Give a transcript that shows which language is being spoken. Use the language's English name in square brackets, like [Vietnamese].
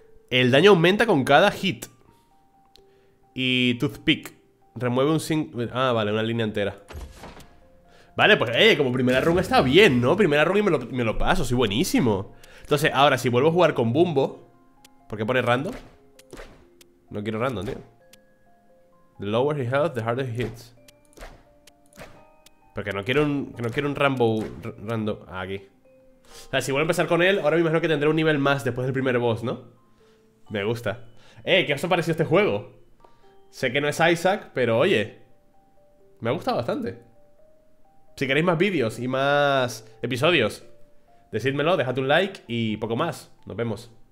[Spanish] El daño aumenta con cada hit. Y Toothpick remueve un ah, vale, una línea entera. Vale, pues como primera run está bien, ¿no? Primera run y me lo paso, soy buenísimo. Entonces, ahora, si vuelvo a jugar con Bumbo, ¿por qué pone random? No quiero random, tío. [English] The lower he health, the harder he hits. [Spanish] Porque no quiero un Rambo random. Ah, aquí. O sea, si vuelvo a empezar con él, ahora me imagino que tendré un nivel más después del primer boss, ¿no? Me gusta. ¿Qué os ha parecido este juego? Sé que no es Isaac, pero oye, me ha gustado bastante. Si queréis más vídeos y más episodios, decídmelo, dejad un like y poco más. Nos vemos.